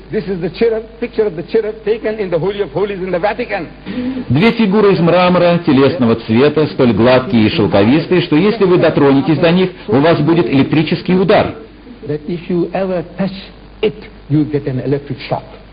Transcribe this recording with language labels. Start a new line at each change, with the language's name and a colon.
English: This is the cherub, picture of the cherub taken in the Holy of Holies in the Vatican.
Russian: Две фигуры из мрамора телесного цвета, столь гладкие и шелковистые, что если вы дотронетесь до них, у вас будет электрический удар.
English: That if you ever touch it, you get an electric shock.